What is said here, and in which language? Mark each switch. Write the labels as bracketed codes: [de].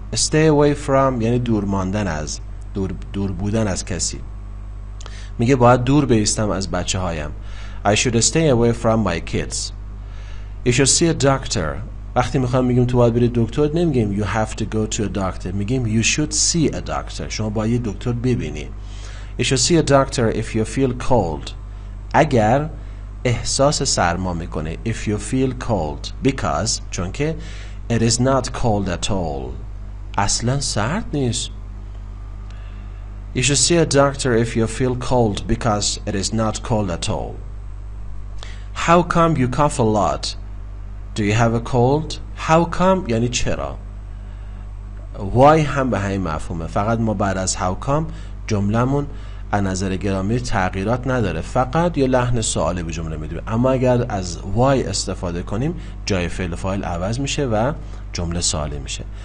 [en] Stay away from [fa] یعنی دور ماندن از، دور بودن از کسی. میگه باید دور بیستم از بچه هایم. [en] I should stay away from my kids. You should see a doctor. [fa] وقتی میخوام میگیم تو باید بری دکتر، نمیگیم [en] you have to go to a doctor، [fa] میگیم [en] you should see a doctor، [fa] شما باید یه دکتر ببینی. [en] You should see a doctor if you feel cold. [fa] اگر احساس سرما میکنه، [en] if you feel cold، because [fa] چون که [en] it is not cold at all، [fa] اصلا سرد نیست. [en] You should see a doctor if you feel cold because it is not cold at all. How come you cough a lot? Do you have a cold? How come [fa] یعنی چرا؟ Why هم به همین مفهومه، فقط ما بعد از how come جملمون از نظر گرامری تغییرات نداره، فقط یه لحن سوالی به جمله میدیم. اما اگر از why استفاده کنیم، جای فعل فاعل عوض میشه و جمله سوالی میشه.